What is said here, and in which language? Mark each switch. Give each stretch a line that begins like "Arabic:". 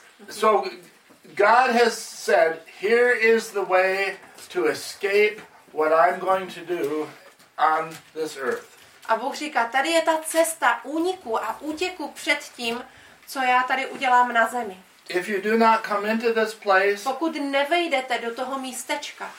English: So God has said, here is the way to escape what I'm going to do on this earth.
Czech: A Bůh říká, tady je ta cesta úniku a útěku před tím, co já tady udělám na zemi.
English: If you do not come into this place,
Czech: pokud nevejdete do toho místečka,